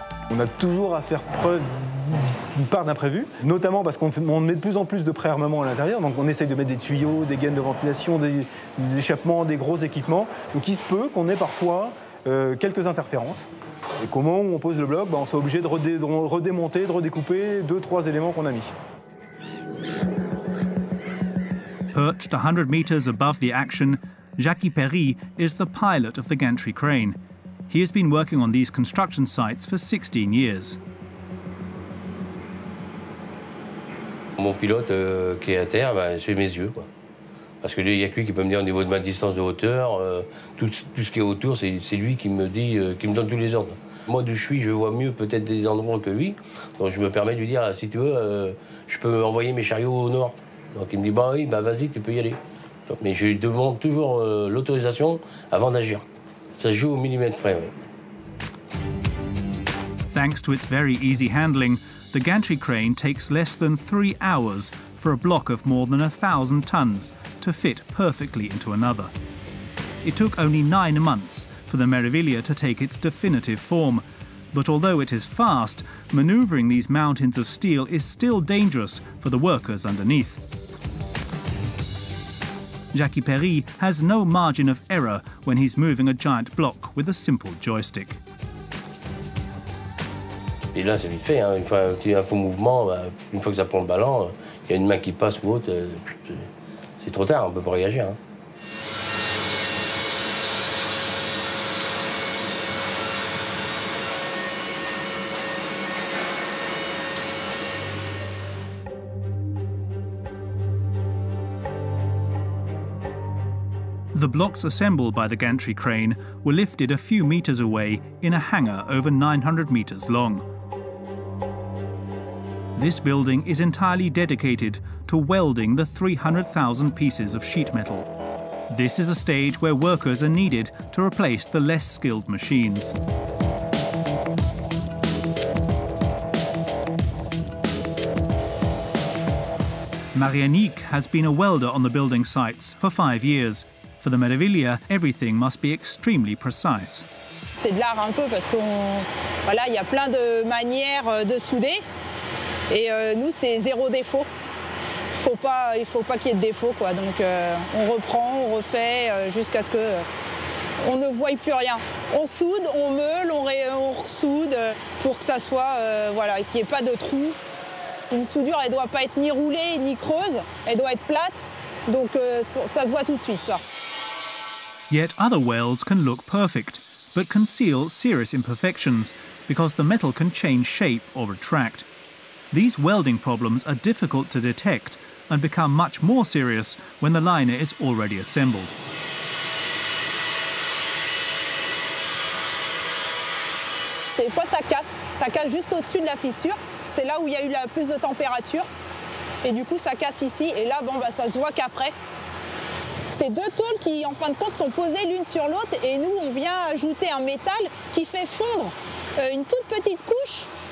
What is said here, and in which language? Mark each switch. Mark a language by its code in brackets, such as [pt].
[fr] On a toujours à faire preuve d'une part d'imprévu, notamment parce qu'on met de plus en plus de préarmement à l'intérieur, donc on essaye de mettre des tuyaux, des gaines de ventilation, des échappements, des gros équipements. Donc il se peut qu'on ait parfois quelques interférences. Et qu'au moment où on pose le bloc, on soit obligé de redémonter, de redécouper deux, trois éléments qu'on a mis. [en] Perched 100 meters above the action, Jackie Perry is the pilot of the gantry crane. He has been working on these construction sites for 16 years. [fr] Mon pilote qui est à terre, ben, c'est mes yeux, quoi. Parce que lui, il y a que lui qui peut me dire au niveau de ma distance de hauteur, tout ce qui est autour, c'est lui qui me dit, qui me donne tous les ordres. Moi, d'où je suis, je vois mieux peut-être des endroits que lui. Donc je me permets de lui dire, si tu veux, je peux envoyer mes chariots au nord. Donc il me dit, bah oui, bah vas-y, tu peux y aller. Mais je lui demande toujours l'autorisation avant d'agir. Ça joue au millimètre près. Ouais. [en] Thanks to its very easy handling, the gantry crane takes less than 3 hours for a block of more than 1,000 tons to fit perfectly into another. It took only 9 months for the Meraviglia to take its definitive form. But although it is fast, maneuvering these mountains of steel is still dangerous for the workers underneath. Jackie Perry has no margin of error when he's moving a giant block with a simple joystick. [fr] Et là, c'est vite fait. Hein. Une fois un faux mouvement, bah, une fois que ça prend le ballon, il y a une main qui passe ou autre, c'est trop tard, on ne peut pas réagir. Hein. [en] The blocks assembled by the gantry crane were lifted a few meters away in a hangar over 900 meters long. This building is entirely dedicated to welding the 300,000 pieces of sheet metal. This is a stage where workers are needed to replace the less skilled machines. Marianique has been a welder on the building sites for 5 years. For the Meraviglia, everything must be extremely precise. [fr] C'est de l'art un peu parce qu'on voilà, il y a plein de manières de souder. Et nous, c'est zéro défaut. Il faut pas qu'il y ait de défaut, quoi. Donc on reprend, on refait jusqu'à ce que on ne voie plus rien. On soude, on meule, on ressoude pour que ça soit voilà, qu'il n'y ait pas de trous. Une soudure, elle doit pas être ni roulée ni creuse. Elle doit être plate. Donc ça se voit tout de suite, ça. [en] Yet other welds can look perfect, but conceal serious imperfections because the metal can change shape or retract. These welding problems are difficult to detect and become much more serious when the liner is already assembled. [fr] Des fois ça casse juste au-dessus de la fissure, c'est là où il y a eu la plus de température et du coup ça casse ici et là bon bah ça se voit qu'après. C'est deux tôles qui en fin de compte sont posées l'une sur l'autre et nous on vient ajouter un métal qui fait fondre une toute petite couche.